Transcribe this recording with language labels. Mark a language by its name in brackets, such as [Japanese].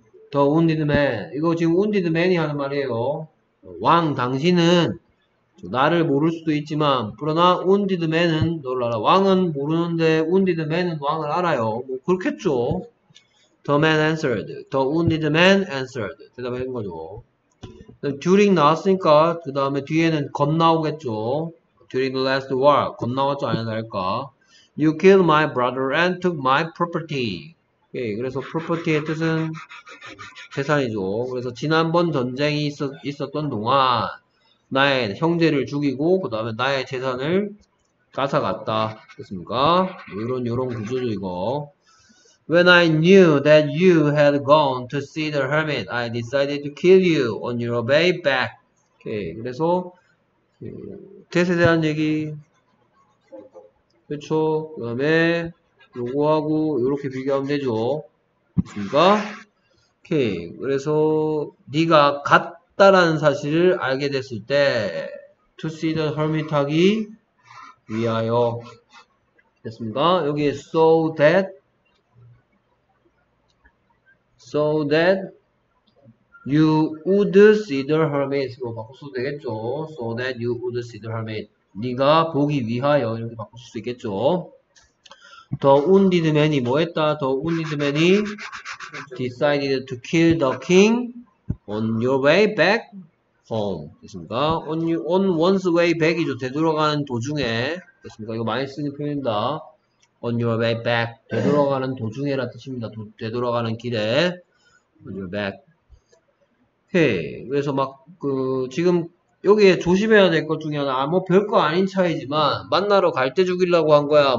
[English] The wounded man. [Korean] 이거 지금 wounded man이 하는 말이에요. 왕, 당신은 나를 모를 수도 있지만, 그러나 wounded man은 너를 알아. 왕은 모르는데 wounded man은 왕을 알아요. 뭐 그렇겠죠. [English] The man answered. The wounded man answered. [Korean] 대답한 거죠. During 나왔으니까 그 다음에 뒤에는 겁나오겠죠. [English] During the last war. [Korean] 겁나왔죠. 아니 다를까. [English] You killed my brother and took my property. [Korean] 예, 그래서 property의 뜻은 재산이죠. 그래서 지난번 전쟁이 있었던 동안 나의 형제를 죽이고 그 다음에 나의 재산을 뺏어갔다. 됐습니까? 뭐 이런 이런 구조죠 이거. [English] When I knew that you had gone to see the hermit, I decided to kill you on your way back. [Korean] 오케이. 그래서 뜻에 대한 얘기. 그렇죠. 그 다음에 요거하고 요렇게 비교하면 되죠. 됐습니까? 오케이. 그래서 네가 갔다라는 사실을 알게 됐을 때 [English] to see the hermit [Korean] 하기 위하여. 됐습니까? [English] 여기에 so that you would see the hermit 로 바꿔도 되겠죠. So that you would see the hermit. [Korean] 네가 보기 위하여 이렇게 바꿀 수 있겠죠. [English] The wounded man이 뭐했다? The wounded man이 decided to kill the king on your way back home. [Korean] 됐습니까? [English] On one's way back [Korean] 이죠. 되돌아가는 도중에. 됐습니까? 이거 많이 쓰는 표현입니다. [English] On your way back. [Korean] 되돌아가는 도중에라는 뜻입니다. 되돌아가는 길에. [English] On your back. [Korean] 오케이. 그래서 막 그 지금 여기에 조심해야 될 것 중에 하나, 아, 뭐 별거 아닌 차이지만, 만나러 갈 때 죽이려고 한 거야?